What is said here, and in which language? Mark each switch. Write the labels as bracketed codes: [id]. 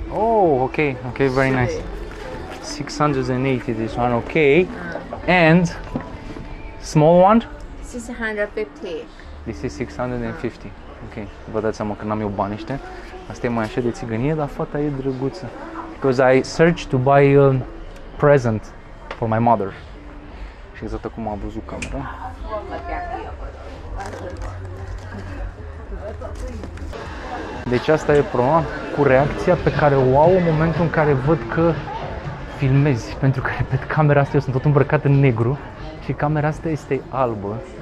[en] Oh, okay, very Nice. 680 this one, okay. And small one? 650. This is 650. Okay. [ro] Vă dați seama că n-am eu bani ăștia. Asta e mai așa de țigănie, dar fata e drăguță. [en] Because I searched to buy a present for my mother. [ro] Și exact acum am văzut camera. Deci asta e problema cu reacția pe care o au în momentul în care văd că filmezi. Pentru că, repet, camera asta, eu sunt tot îmbrăcat în negru și camera asta este albă.